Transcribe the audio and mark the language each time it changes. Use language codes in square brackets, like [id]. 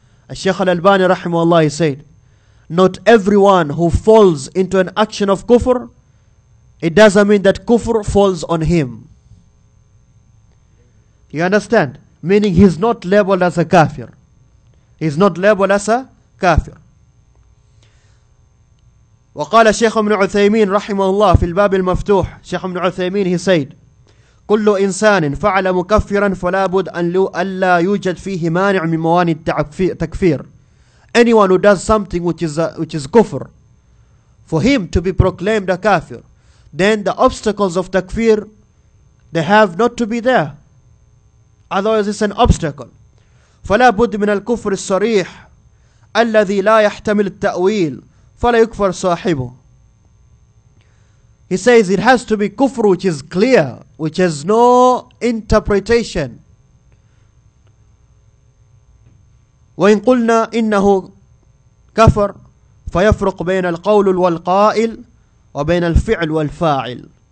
[en] الشَّيْخُ الْأَلْبَانِي رَحْمَهُ اللَّهِ said, not everyone who falls into an action of kufr, it doesn't mean that kufr falls on him. You understand? Meaning he's not labeled as a kafir. He's not labeled as a kafir. [ar] وقال الشيخ ابن عثيمين رحمه الله في الباب المفتوح, الشيخ ابن عثيمين, [en] he said, [ar] كل إنسان فعل مكفرا فلابد أن لا يوجد فيه مانع من موانع التكفير. [en] Anyone who does something which is kufr, for him to be proclaimed a kafir, then the obstacles of takfir, they have not to be there. Otherwise it's an obstacle. [ar] فلابد من الكفر الصريح الذي لا يحتمل التأويل فَلَا يُكْفَرْ صَاحِبُ. [en] He says it has to be kufr which is clear, which has no interpretation. [ar] وَإِنْ قُلْنَا إِنَّهُ كَفَرْ فَيَفْرُقْ بَيْنَ الْقَوْلُ وَالْقَائِلِ وَبَيْنَ الْفِعْلُ وَالْفَاعِلِ.